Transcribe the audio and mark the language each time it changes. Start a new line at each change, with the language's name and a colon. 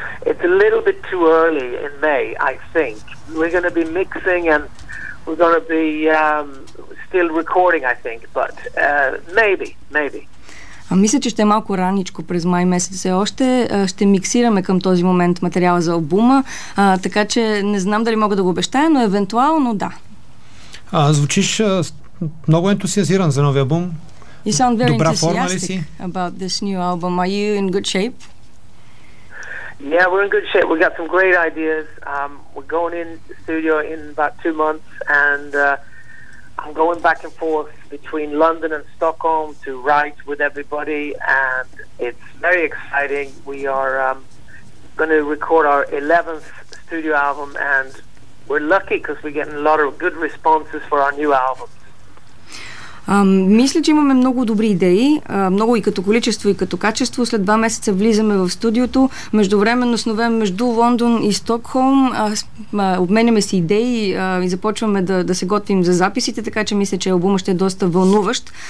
English: It's a little bit too early in May, I think. We're going to be mixing and we're going to be still recording, I think, but maybe.
Bulgarian: Мисля, че ще е малко раничко през май месец и още. Ще миксираме към този момент материала за албума, така че не знам дали мога да го обещая, но евентуално да. Звучиш много ентусиазиран за новия албум.
English: You sound very enthusiastic about this new album. Are you in good shape? Yeah, we're in good shape. We've got some great ideas. We're going in the studio in about 2 months and I'm going back and forth between London and Stockholm to write with everybody and it's very exciting. We are going to record our 11th studio album and we're lucky because we're getting a lot of good responses for our new album.
Bulgarian: Мисля, че имаме много добри идеи, много и като количество, и като качество. След 2 месеца влизаме в студиото. Междувременно сновем между Лондон и Стокхолм. Обменяме си идеи и започваме да се готвим за записите, така че мисля, че албумът ще е доста вълнуващ.